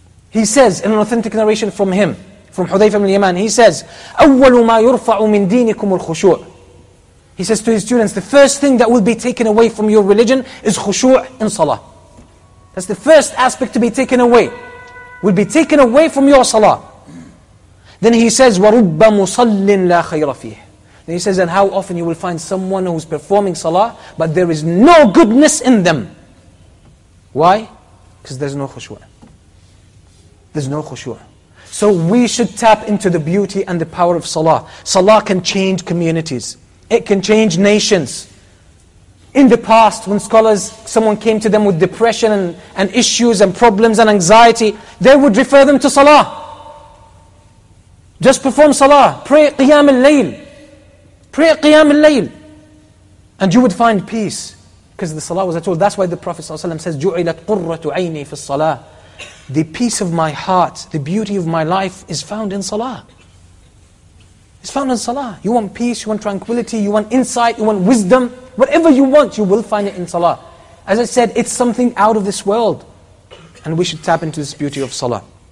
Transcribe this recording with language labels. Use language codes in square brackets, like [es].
[en] He says, in an authentic narration from him, from Hudhayfah ibn al-Yaman, he says, [ar] أَوَّلُ مَا يُرْفَعُ مِن دِينِكُمُ الْخُشُوعِ. [en] He says to his students, the first thing that will be taken away from your religion is khushu' in salah. That's the first aspect to be taken away. Will be taken away from your salah. Then he says, [ar] وَرُبَّ مُصَلٍّ لَا خَيْرَ فِيهِ. [en] Then he says, and how often you will find someone who is performing salah, but there is no goodness in them. Why? Because there's no khushu'. There's no khushu'. So we should tap into the beauty and the power of salah. Salah can change communities. It can change nations. In the past, when scholars, someone came to them with depression and issues and problems and anxiety, they would refer them to salah. Just perform salah. Pray qiyam al-layl. Pray qiyam al-layl. And you would find peace. Because the salah was a tool. That's why the Prophet ﷺ says, [ar] جُعِلَتْ قُرَّةُ عَيْنِي فِي الصَّلَاةِ. [en] The peace of my heart, the beauty of my life is found in salah. It's found in salah. You want peace, you want tranquility, you want insight, you want wisdom. Whatever you want, you will find it in salah. As I said, it's something out of this world. And we should tap into this beauty of salah.